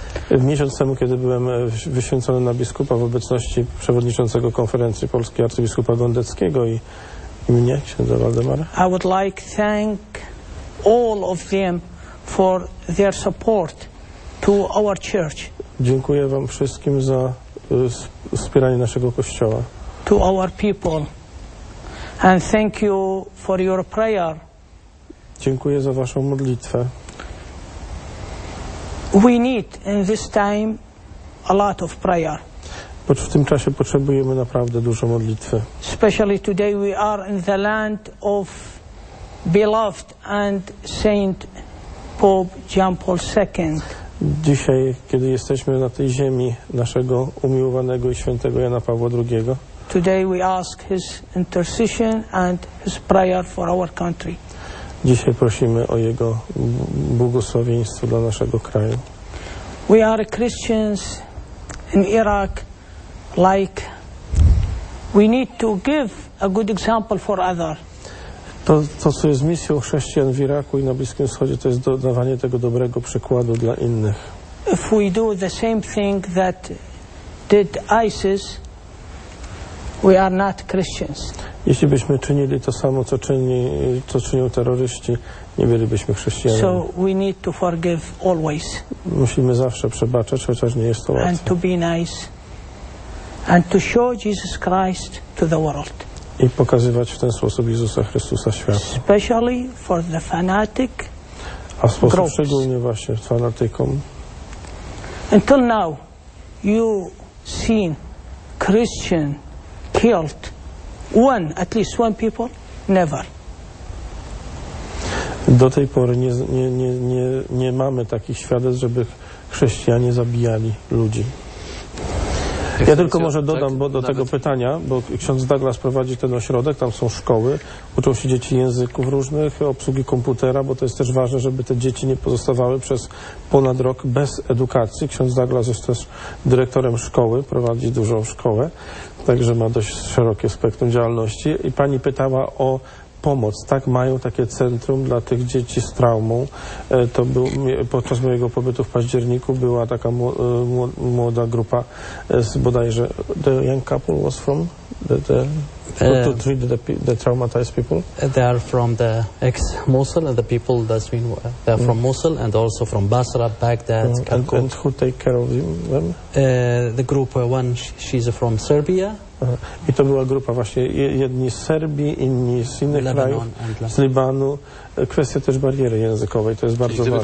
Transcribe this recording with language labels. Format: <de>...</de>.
<pl>W miesiąc temu, kiedy byłem wyświęcony na biskupa w obecności przewodniczącego konferencji polskiej arcybiskupa Gondeckiego i mnie, księdza Waldemara.</pl> <en>I would like to thank all of them for their support to our church.</en> <pl>Dziękuję wam wszystkim za wspieranie naszego kościoła.</pl> <en>To our people. And thank you for your prayer.</en> <pl>Dziękuję za waszą modlitwę.</pl> <en>We need in this time a lot of prayer.</en> <pl>W tym czasie potrzebujemy naprawdę dużo modlitwy.</pl> <en>Especially today we are in the land of beloved and Saint Pope John Paul II.</en> <pl>Dzisiaj, kiedy jesteśmy na tej ziemi naszego umiłowanego i świętego Jana Pawła II.</pl> <en>Today we ask his intercession and his prayer for our country.</en> <pl>Dzisiaj prosimy o jego błogosławieństwo dla naszego kraju.</pl> <en>We are Christians in Iraq, like we need to give a good example for others.</en> <pl>To, co jest misją chrześcijan w Iraku i na Bliskim Wschodzie, to jest dodawanie tego dobrego przykładu dla innych.</pl> <en>If we do the same thing that did ISIS, we are not Christians.</en> <pl>Jeśli byśmy czynili to samo, co czynią terroryści, nie bylibyśmy chrześcijanami.</pl> <en>So we need to forgive always.</en> <pl>Musimy zawsze przebaczać, chociaż nie jest to łatwe.</pl> <en>And to be nice. And to show Jesus Christ to the world.</en> <pl>I pokazywać w ten sposób Jezusa Chrystusa światu.</pl> <en>Especially for the fanatic.</en> <pl>A w sposób szczególny właśnie fanatykom.</pl> <en>Until now, you seen Christian killed one, at least one people? Never.</en> <pl>Do tej pory nie mamy takich świadectw, żeby chrześcijanie zabijali ludzi. Ja tylko może dodam bo do tego pytania, bo ksiądz Douglas prowadzi ten ośrodek, tam są szkoły, uczą się dzieci języków różnych, obsługi komputera, bo to jest też ważne, żeby te dzieci nie pozostawały przez ponad rok bez edukacji. Ksiądz Douglas jest też dyrektorem szkoły, prowadzi dużą szkołę, także ma dość szerokie spektrum działalności. I pani pytała o pomoc. Tak, mają takie centrum dla tych dzieci z traumą. To był, podczas mojego pobytu w październiku była taka młoda grupa z bodajże</pl> <en>the young couple was from to treat the traumatized people. They are from the ex Mosul and the people that's been they're from Mosul and also from Basra, Baghdad, Kirkuk. And who take care of them? The group one, she's from Serbia.</en> <pl>I to była grupa właśnie, jedni z Serbii, inni z innych krajów, z Libanu. Kwestia też bariery językowej, to jest bardzo ważne.</pl>